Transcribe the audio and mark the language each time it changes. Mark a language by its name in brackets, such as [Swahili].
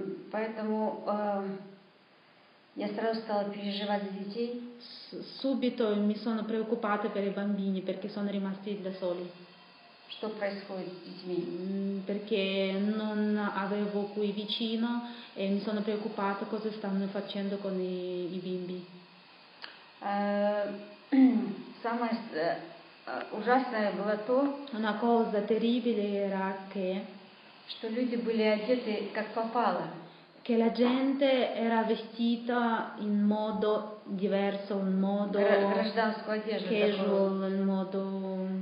[Russian] Поэтому я сразу стала переживать за дітей. [Italian] Subito mi sono preoccupata per i bambini perché sono rimasti da soli. [Russian] Что происходит с детьми? [Italian] Perché non avevo qui vicino e mi sono preoccupata cosa stanno facendo con i bimbi. [Russian] Самое ужасное было то, [Italian] una cosa terribile era che, [Russian] что люди были одеты как попало. [Italian] Che la gente era vestita in modo diverso, in modo casual, in modo